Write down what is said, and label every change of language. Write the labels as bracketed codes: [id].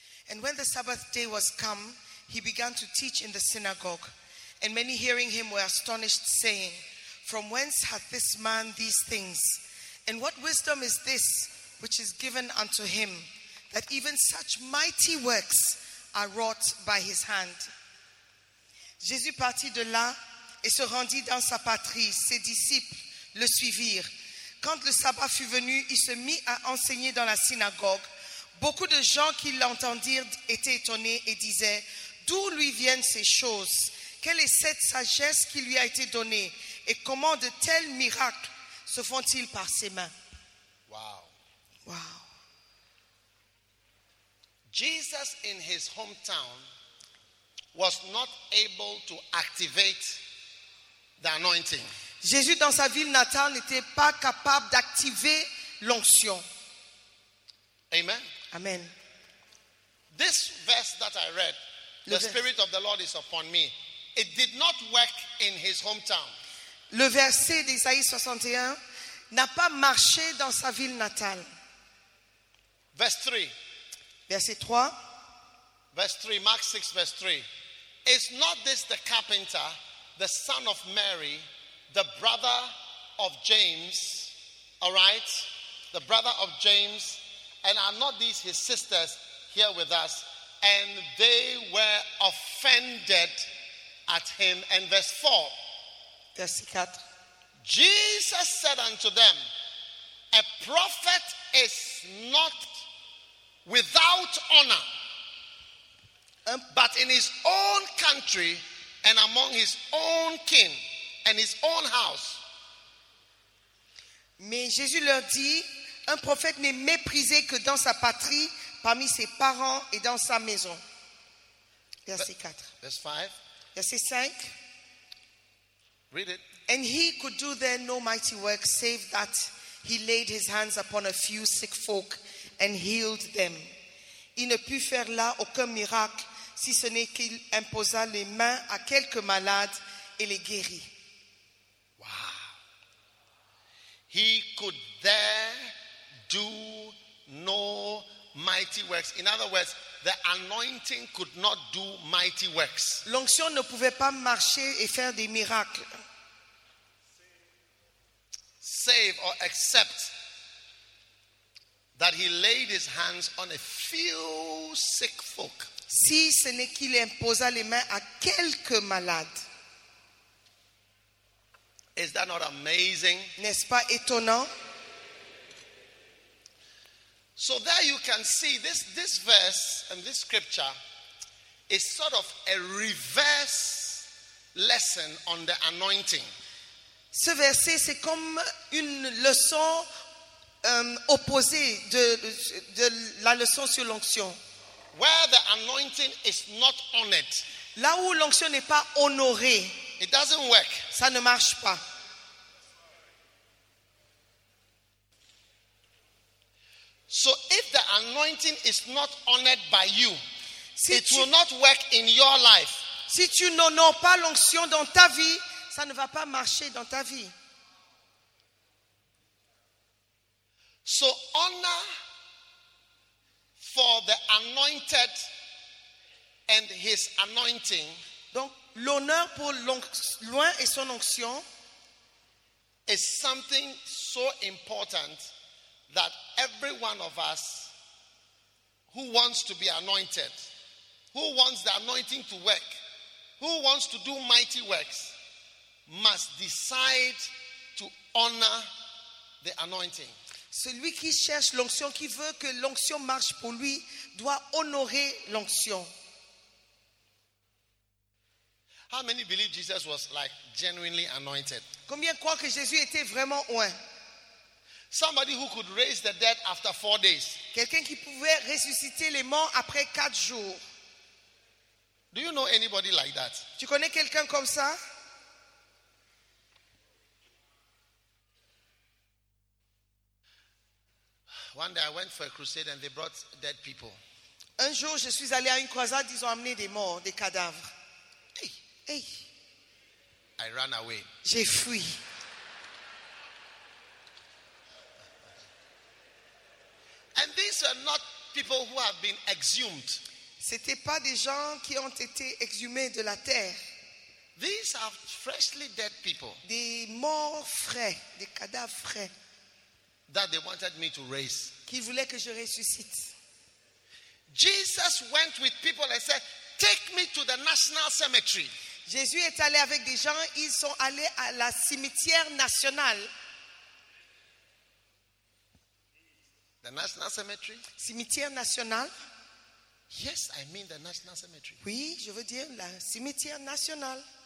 [en] And when the Sabbath day was come, he began to teach in the synagogue. And many hearing him were astonished, saying, from whence hath this man these things? And what wisdom is this which is given unto him, that even such mighty works are wrought by his hand? [fr] Jésus partit de là et se rendit dans sa patrie. Ses disciples le suivirent. Quand le sabbat fut venu, il se mit à enseigner dans la synagogue. Beaucoup de gens qui l'entendirent étaient étonnés et disaient, « D'où lui viennent ces choses? Quelle est cette sagesse qui lui a été donnée? Et comment de tels miracles se font-ils par ses mains? » [en] Wow. Wow. Jesus in his hometown was not able to activate the anointing. [fr] Jésus dans sa ville natale n'était pas capable d'activer l'onction. [en] Amen. Amen. This verse that I read, the Spirit of the Lord is upon me. It did not work in his hometown. [fr] Le verset d'Isaïe 61 n'a pas marché dans sa ville natale. [en] Verse 3. [fr] Verset 3. [en] Verse 3, Mark 6 verse 3. Is not this the carpenter, the son of Mary, the brother of James, all right? The brother of James, and are not these his sisters here with us? And they were offended at him. And verse 4. Verse 4. Jesus said unto them, a prophet is not without honor, but in his own country and among his own kin. And his own house. [fr] Mais Jésus leur dit, un prophète n'est méprisé que dans sa patrie, parmi ses parents et dans sa maison. Verset 4. [en] Verse 5. [fr] Verset 5. [en] Read it. And he could do there no mighty work, save that he laid his hands upon a few sick folk and healed them. [fr] Il ne put faire là aucun miracle, si ce n'est qu'il imposa les mains à quelques malades et les guérit. [en] He could there do no mighty works. In other words, the anointing could not do mighty works. [fr] L'onction ne pouvait pas marcher et faire des miracles. [en] Save or except that he laid his hands on a few sick folk. [fr] Si ce n'est qu'il imposa les mains à quelques malades. [en] Is that not amazing? [fr] N'est-ce pas étonnant? [en] So there you can see this verse and this scripture is sort of a reverse lesson on the anointing. [fr] Ce verset, c'est comme une leçon opposée de la leçon sur l'onction. [en] Where the anointing is not honored. [fr] Là où l'onction n'est pas honorée. [en] It doesn't work. [fr] Ça ne marche pas. [en] So if the anointing is not honored by you, it will not work in your life. [fr] Si tu n'honores pas l'onction dans ta vie, ça ne va pas marcher dans ta vie. [en] So honor for the anointed and his anointing. [fr] Donc l'honneur pour l'oint et son onction [en] is something so important that every one of us who wants to be anointed, who wants the anointing to work, who wants to do mighty works, must decide to honor the anointing. [fr] Celui qui cherche l'onction, qui veut que l'onction marche pour lui, doit honorer l'onction. [en] How many believe Jesus was like genuinely anointed? [fr] Combien croient que Jésus était vraiment oint? [en] Somebody who could raise the dead after 4 days. [fr] Quelqu'un qui pouvait ressusciter les morts après 4 jours. [en] Do you know anybody like that? [fr] Tu connais quelqu'un comme ça? [en] One day I went for a crusade and they brought dead people. [fr] Un jour je suis allé à une croisade, ils ont amené des morts, des cadavres. [en] Hey. I ran away. [fr] J'ai fui. [en] And these are not people who have been exhumed. [fr] C'était pas des gens qui ont été exhumés de la terre. [en] These are freshly dead people. [fr] Des morts frais, des cadavres frais. [en] That they wanted me to raise. [fr] Qui voulait que je ressuscite. [en] Jesus went with people and said, "Take me to the national cemetery." [fr] Jésus est allé avec des gens, ils sont allés à la cimetière nationale. [en] The national cemetery? [fr] Cimetière national? [en] Yes, I mean the national cemetery. [fr] Oui, je veux dire la cimetière national.